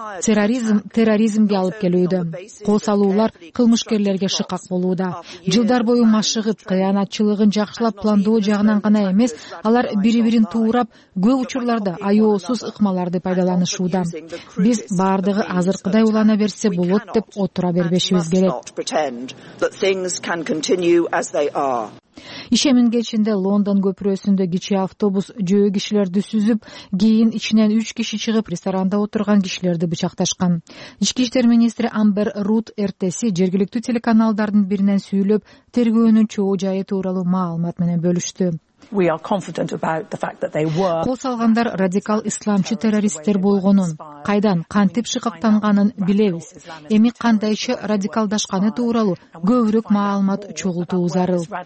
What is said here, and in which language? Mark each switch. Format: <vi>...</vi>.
<ky>Терроризм терроризмге алып келүүдө. Кол салуулар кылмышкерлерге шыкак болууда. Жылдар бою машыгып, кыянатчылыгын жакшылап пландоо жагынан гана эмес, алар бири-бирин туурап, көп учурларда аёосуз ыкмаларды пайдаланышууда. Биз бардыгы азыркыдай улана берсе болот деп отура бербешибиз керек.</ky> <en>Can continue as they are.</en> <ky>Ишемин кечинде Лондон көпүрөсүндө кичи автобус жөө кишилерди сүзүп, кийин ичинен 3 киши чыгып, ресторанда отурган кишилерди бычакташкан. Ички иштер министри Амбер Рут эртеси жергиликтүү телеканалдардын биринен сүйлөп, тергөөнүн чоо жайы тууралуу маалымат менен бөлүштү.</ky> <en>We are confident about the fact that they were.</en> <ky>Кол салгандар радикал исламчы террористтер болгонун, кайдан, кантип шыкактанганын билебиз. Эми кандайча радикалдашканы тууралуу көбүрөөк маалымат чогултуу зарыл.</ky>